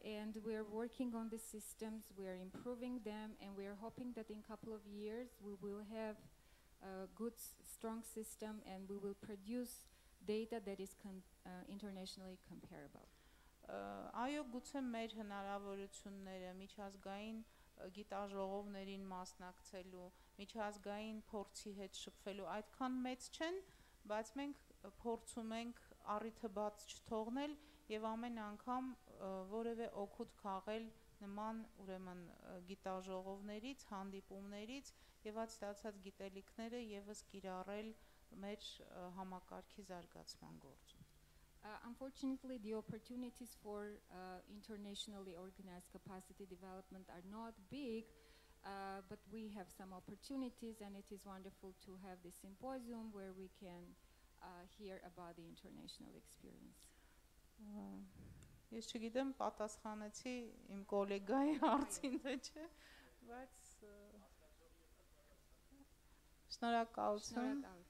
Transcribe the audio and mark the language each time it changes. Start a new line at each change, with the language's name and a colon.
English: And we are working on the systems, we are improving them, and we are hoping that in a couple of years we will have a good, strong system and we will produce data that is internationally comparable.
Armenian: Այո, գուցե մեր հնարավորությունները միջազգային գիտաժողովներին մասնակցելու, միջազգային փորձի հետ շփվելու այդքան մեծ չեն, բայց մենք փորձում ենք առիթը բաց չթողնել եւ ամեն անգամ որևէ օգուտ քաղել նման ուրեմն գիտաժողովներից, հանդիպումներից եւ այդ ստացած գիտելիքները եւս կիրառել մեր համակարգի զարգացման գործ.
English: Unfortunately, the opportunities for internationally organized capacity development are not big, but we have some opportunities and it is wonderful to have this symposium where we can hear about the international experience.
Armenian: Ես չգիտեմ, պատասխանեցի իմ կոլեգայի հարցին, թե չէ, բայց շնորհակալություն.